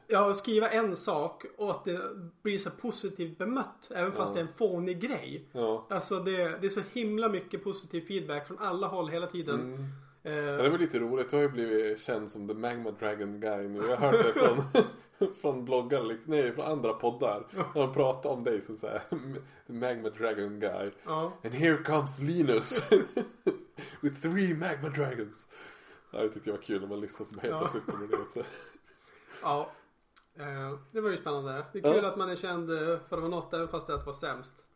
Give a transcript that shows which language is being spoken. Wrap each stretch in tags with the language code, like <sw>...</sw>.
<sv>Ja, och skriva en sak och att det blir så positivt bemött, även fast det är en fånig grej. Ja. Alltså det är så himla mycket positiv feedback från alla håll hela tiden. Ja, det var lite roligt. Jag har ju blivit känd som The Magma Dragon Guy nu. Jag har hört det från, från bloggar, liksom, nej, från andra poddar. De pratar om dig som säger The Magma Dragon Guy. Ja.</sv> <en>And here comes Linus with three Magma Dragons.</en> <sv>Ja, jag tyckte det var kul när man lyssnade som helst ut på det. Så. Ja, det var ju spännande. Det är kul att man är känd för att vara något, även fast det var sämst.</sv>